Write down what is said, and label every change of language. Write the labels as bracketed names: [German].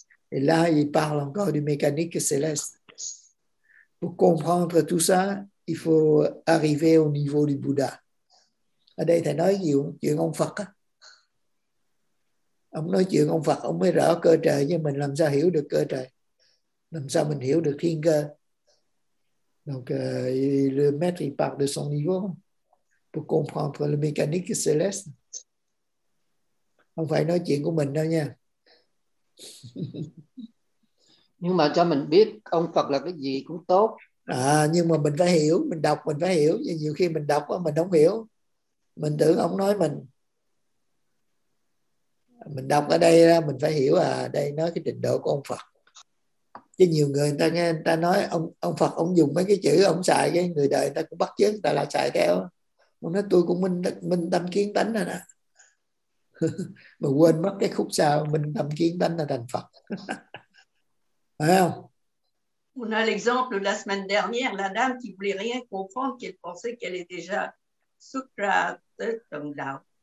[French] Et là, il parle encore du mécanique céleste. Pour comprendre tout ça, il faut arriver au niveau du Bouddha. [Vietnamese] Ở đây thầy nói nhiều chuyện ông Phật á. Ông nói chuyện ông Phật, ông mới rõ cơ trời, nhưng mình làm sao hiểu được cơ trời? Làm sao mình hiểu được thiên cơ? [French] Donc, le maître, il part de son niveau pour comprendre le mécanique céleste. [Vietnamese] Không phải nói chuyện của mình đâu nha. Nhưng mà cho mình biết ông Phật là cái gì cũng tốt. À, nhưng mà mình phải hiểu, mình đọc mình phải hiểu. Nhưng nhiều khi mình đọc mình không hiểu. Mình tưởng ông nói mình. Mình đọc ở đây mình phải hiểu đây nói cái trình độ của ông Phật. Chứ nhiều người ta nghe người ta nói ông Phật ông dùng mấy cái chữ ông xài cái người đời người ta cũng bắt chước người ta là xài theo. Ông nói tôi cũng minh tâm kiến tánh rồi nè. Mà quên mất cái khúc sau minh tâm kiến tánh là thành Phật. [French] On a l'exemple la semaine dernière, la dame qui voulait rien comprendre, qui pensait qu'elle est déjà Socrate, comme là.